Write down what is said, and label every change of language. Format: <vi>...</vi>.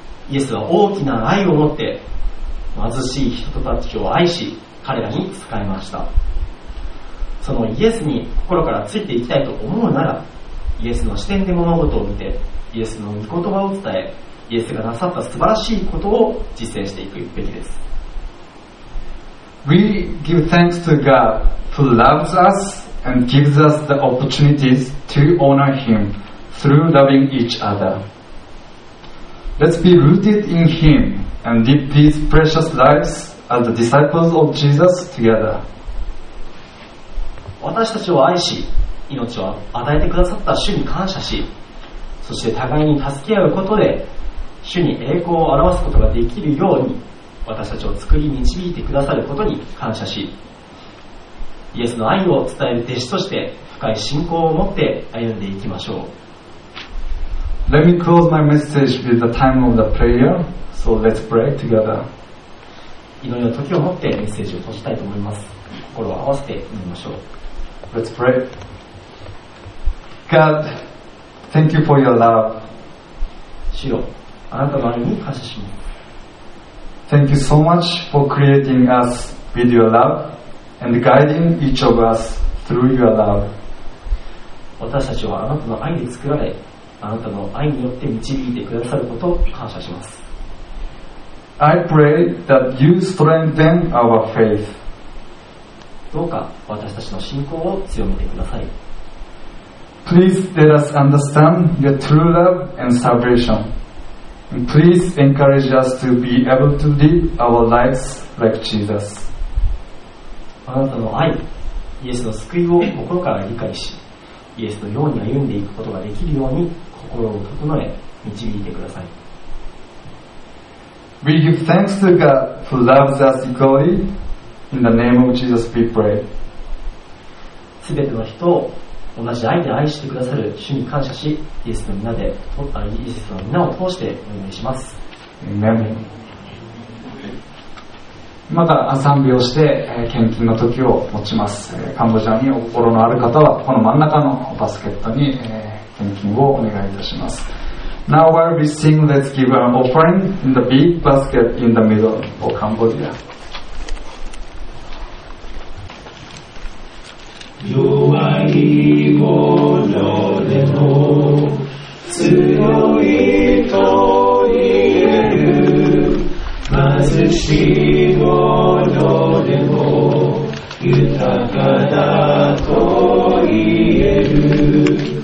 <ja>イエスは大きな愛を持って貧しい人たちを愛し、彼らに仕えました。そのイエスに心からついていきたいと思うなら、イエスの視点で物事を見て、イエスの御言葉を伝え、イエスがなさった素晴らしいことを実践していくべきです。</ja> <en>We give thanks to God who loves us and gives us the opportunities to honor Him through loving each other. Let's be rooted in Him and live these precious lives as the disciples of Jesus together.</en> <ja>私たちを愛し、命を与えてくださった主に感謝し、そして互いに助け合うことで主に栄光を表すことができるように私たちを作り導いてくださることに感謝し、イエスの愛を伝える弟子として深い信仰を持って歩んでいきましょう。</ja> <en>Let me close my message with the time of the prayer. So let's pray together.</en> <ja>祈りの時を持ってメッセージを閉じたいと思います。心を合わせて祈りましょう。</ja> <en>Let's pray. God, thank you for your love.</en> <ja>主よ、あなたの愛に感謝します。</ja> <en>Thank you so much for creating us with your loveAnd guiding each of us through your love.</en> <ja>私たちはあなたの愛で作られ、あなたの愛によって導いてくださることを感謝します。</ja> <en>I pray that you strengthen our faith.</en> <ja>どうか私たちの信仰を強めてください。</ja> <en>Please let us understand your true love and salvation. And please encourage us to be able to live our lives like Jesus.</en> <ja>あなたの愛、イエスの救いを心から理解し、イエスのように歩んでいくことができるように心を整え導いてください。</ja> <en>We give thanks to God who loves us equally. In the name of Jesus we pray.</en> <ja>全ての人を同じ愛で愛してくださる主に感謝し、イエスの皆で、イエスの皆を通してお願いします。 Amen. また賛美をして献金の時を持ちます。カンボジアにお心のある方はこの真ん中のバスケットに献金をお願いいたします。</ja> <en>Now while we sing, let's give an offering in the big basket in the middle of Cambodia. You are evil, no, no, no,</en> <ja>強いと貧しいものでも豊かだと言える。</ja>